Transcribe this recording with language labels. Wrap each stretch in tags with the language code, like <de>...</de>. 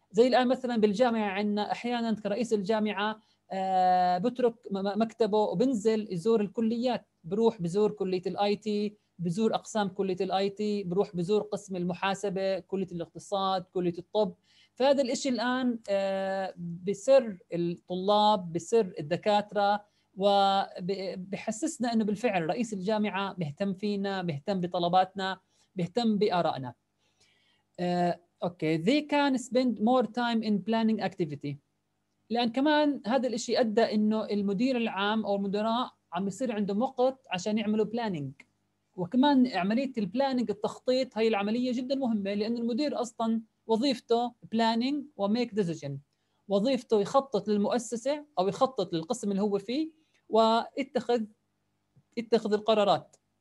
<ar>زي الآن مثلاً بالجامعة عندنا أحياناً كرئيس الجامعة بترك مكتبه وبنزل يزور الكليات، بروح بزور كلية الآي تي، بزور أقسام كلية الآي تي، بروح بزور قسم المحاسبة، كلية الاقتصاد، كلية الطب. فهذا الإشي الآن بسر الطلاب، بسر الدكاترة، وبحسسنا أنه بالفعل رئيس الجامعة بيهتم فينا، بيهتم بطلباتنا، بيهتم بآرائنا. أوكي.</ar> <en>They can spend more time in planning activity.</en> <ar>لأن كمان هذا الإشي أدى أنه المدير العام أو المدراء عم يصير عندهم وقت عشان يعملوا planning. وكمان عملية البلانينج التخطيط هي العملية جدا مهمة، لأن المدير أصلا وظيفته بلانينج وميك ديسيجن، وظيفته يخطط للمؤسسة أو يخطط للقسم اللي هو فيه ويتخذ القرارات.</ar>